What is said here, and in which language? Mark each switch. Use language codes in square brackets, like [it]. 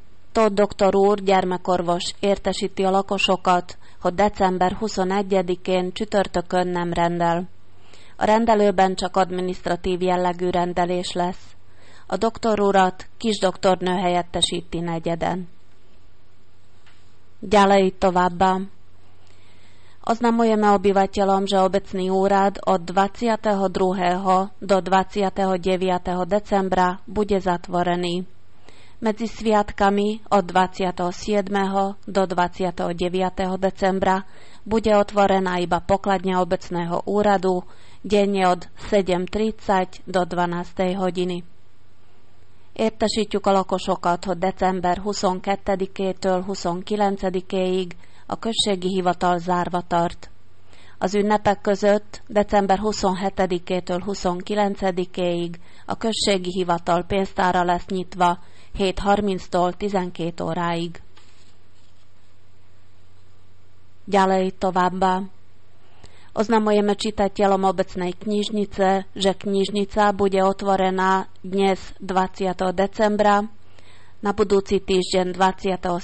[hu] To doktor úr gyermekorvos értesíti a lakosokat, hogy december 21-én csütörtökön nem rendel. A rendelőben csak adminisztratív jellegű rendelés lesz. A doktor urat kis doktornő helyettesíti Negyeden. [sk] Ďalej [hu] továbbá. [sk] Oznamujeme obyvateľom, že obecný úrad od 22. do 29. decembra bude zatvorený. Medzi sviatkami od 27. do 29. decembra bude otvorená iba pokladňa obecného úradu denne od 7.30 do 12. hodiny. [hu] Értesítjük a lakosokat, hogy december 22-től 29-ig a községi hivatal zárva tart. Az ünnepek között december 27-től 29-ig a községi hivatal pénztára lesz nyitva 7.30-tól 12 óráig. [sk] Ďalej [hu] továbbá. [sk] Oznamujeme čitateľom obecnej knižnice, že knižnica bude otvorená dnes 20. decembra, na budúci týždeň 27.